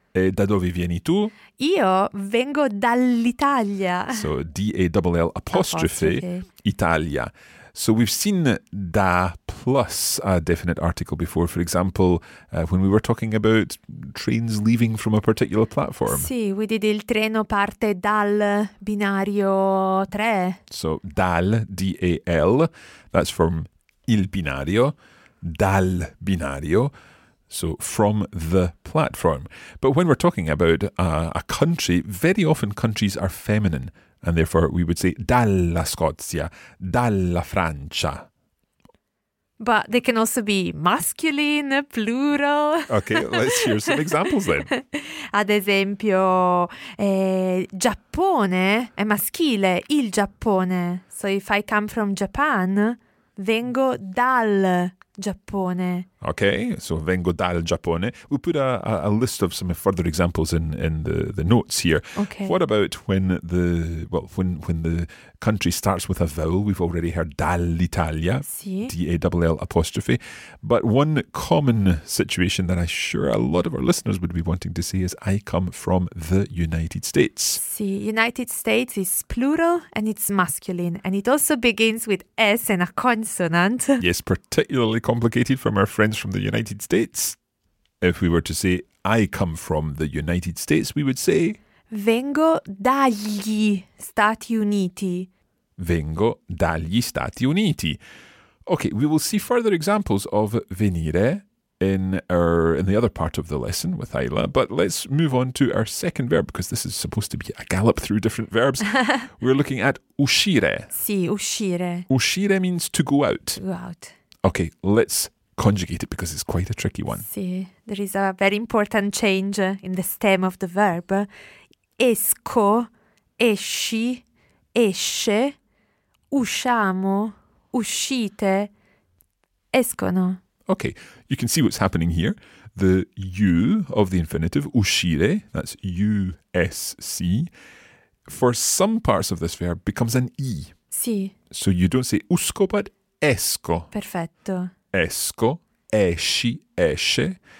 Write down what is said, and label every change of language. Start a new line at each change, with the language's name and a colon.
Italian: E da dove vieni tu? Io vengo dall'Italia.
English: So, D-A-L-L apostrophe, Italia. So we've seen da plus a definite article before. For example, when we were talking about trains leaving from a particular platform.
Italian: Sì,
English: we did
Italian: il treno parte dal binario 3.
English: So dal, D-A-L, that's from il binario, dal binario. So from the platform. But when we're talking about a country, very often countries are feminine. And therefore, we would say
Italian: dalla Scozia, dalla Francia.
English: But they can also be masculine, plural. Okay, let's hear some examples then.
Italian: Ad esempio, Giappone è maschile, il Giappone.
English: So if I come from Japan,
Italian: vengo dal Giappone. Okay, so vengo dal Giappone.
English: We'll put a list of some further examples in the notes here. Okay. What about when the country starts with a vowel? We've already heard dall'Italia,
Italian: sì.
English: D-A-L-L apostrophe. But one common situation that I'm sure a lot of our listeners would be wanting to say is I come from the United States. Sì, United States is plural and it's masculine. And it also begins with S and a consonant. Yes, particularly complicated from our friends from the United States. If we were to say, I come from the United States, we would say...
Italian: Vengo dagli Stati Uniti. Vengo dagli Stati Uniti.
English: Okay, we will see further examples of venire in the other part of the lesson with Ayla, but let's move on to our second verb, because this is supposed to be a gallop through different verbs. We're looking at uscire.
Italian: Sì, uscire.
English: Uscire means to go out. Go out. Okay, let's conjugate it because it's quite a tricky one. Sì, there is a very important change in the stem of the verb.
Italian: Esco, esci, esce, usciamo, uscite, escono.
English: Okay, you can see what's happening here. The U of the infinitive, uscire, that's U-S-C, for some parts of this verb becomes an E.
Italian: Sì.
English: So you don't say usco, but esco.
Italian: Perfetto. Esco, esci, esce,